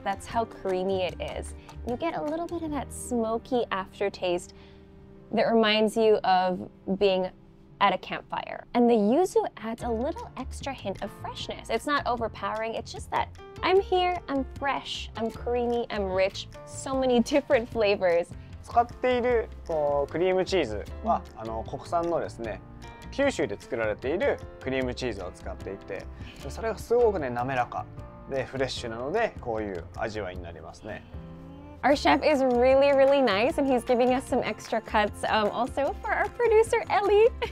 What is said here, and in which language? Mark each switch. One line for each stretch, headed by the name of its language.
English: That's how creamy it is. You get a little bit of that smoky aftertaste that reminds you of being at a campfire. And the yuzu adds a little extra hint of freshness. It's not overpowering, it's just that I'm here, I'm fresh, I'm creamy, I'm rich, so many different flavors.
Japanese: 使っているこうクリームチーズは、あの国産のですね、九州で作られているクリームチーズを使っていて、それがすごくね、滑らかでフレッシュなので、こういう味わいになりますね。
English: Our chef is really, really nice, and he's giving us some extra cuts, also for our producer, Ellie.